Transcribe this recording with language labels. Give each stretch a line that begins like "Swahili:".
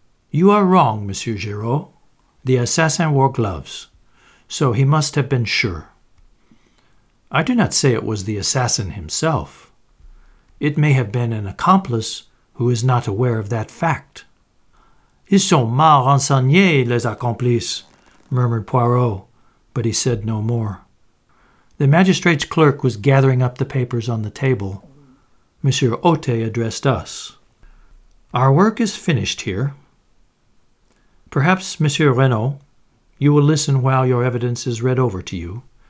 English: You are wrong, Monsieur Giraud. The assassin wore gloves, so he must have been sure. I do not say it was the assassin himself. It may have been an accomplice who is not aware of that fact.
French: Ils sont mal renseignés, les accomplices,
English: murmured Poirot, but he said no more. The magistrate's clerk was gathering up the papers on the table. Monsieur Otte addressed us. Our work is finished here. Perhaps, Monsieur Renault, you will listen while your evidence is read over to you.